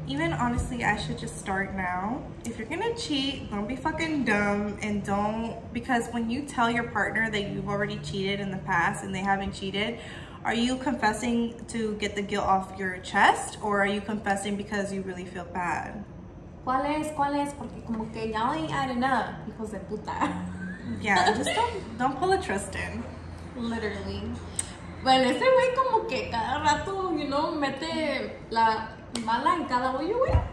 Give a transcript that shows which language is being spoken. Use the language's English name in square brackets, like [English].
[English] Even honestly, I should just start now. If you're going to cheat, don't be fucking dumb, and don't, because when you tell your partner that you've already cheated in the past and they haven't cheated, are you confessing to get the guilt off your chest, or are you confessing because you really feel bad? [Spanish] ¿Cuál es? Porque como que [English] y'all ain't adding up, [Spanish] hijos de puta. [English] Yeah, just don't pull a Tristan. Literally. [Spanish] Bueno, ese güey como que cada rato, [English] you know, [Spanish] mete la mala en cada hoyo, güey.